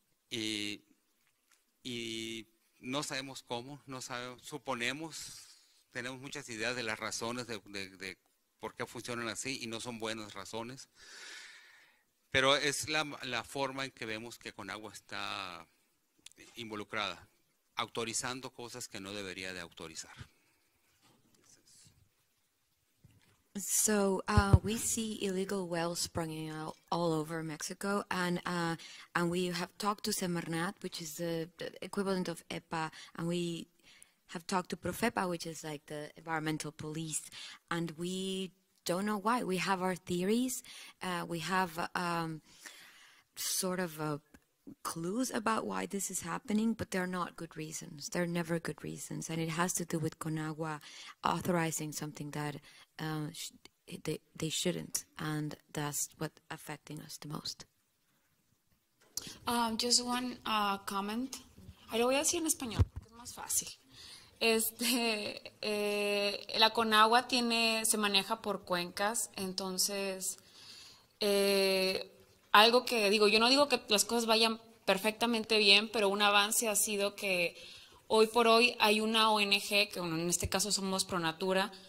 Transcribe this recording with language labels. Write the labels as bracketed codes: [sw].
[es] Y no sabemos cómo, no sabemos, suponemos, tenemos muchas ideas de las razones de por qué funcionan así y no son buenas razones. Pero es la forma en que vemos que Conagua está involucrada, autorizando cosas que no debería de autorizar. [en] So we see illegal wells sprunging out all over Mexico, and we have talked to Semarnat, which is the equivalent of EPA, and we have talked to Profepa, which is like the environmental police, and we don't know why. We have our theories, we have sort of clues about why this is happening, but they're not good reasons. They're never good reasons, and it has to do with Conagua authorizing something that they shouldn't, and that's what affecting us the most. Just one comment. I [es] lo voy a decir en español, es más fácil. La Conagua se maneja por cuencas, entonces algo que digo, yo no digo que las cosas vayan perfectamente bien, pero un avance ha sido que hoy por hoy hay una ONG, que en este caso somos Pronatura.